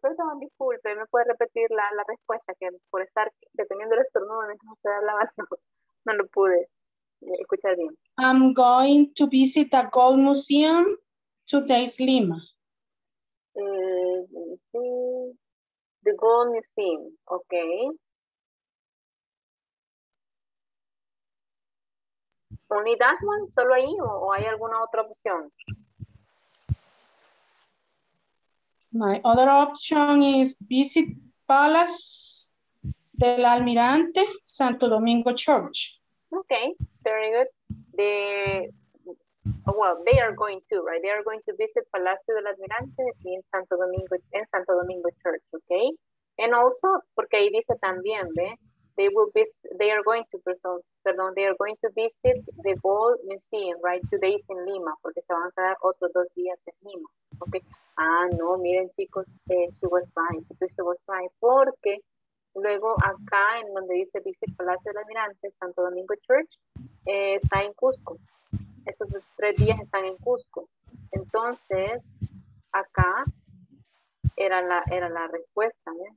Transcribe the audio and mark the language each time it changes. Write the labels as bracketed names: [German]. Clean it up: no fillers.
[Spanish] Perdón, disculpe, me puede repetir la respuesta, que por estar deteniendo el estornudo, no pude escuchar bien. [English] I'm going to visit a gold museum today's Lima. The gold museum, okay. Only that one, [Spanish] solo ahí, o hay alguna otra opción? [English] My other option is visit Palace del Almirante, Santo Domingo Church. Okay, very good. They are going to, right? They are going to visit Palacio del Almirante in Santo Domingo Church, okay? And also, [Spanish] porque ahí dice también, ¿ve? [English] They will be, they are going to visit the Gold Museum, right? 2 days in Lima, [Spanish] porque se van a quedar otros 2 días en Lima, okay? Ah, no, miren chicos, [English] she was right, [Spanish] porque luego acá en donde dice visit Palacio del Almirante, Santo Domingo Church, está en Cusco. Esos 3 días están en Cusco. Entonces, acá era la respuesta, ¿eh?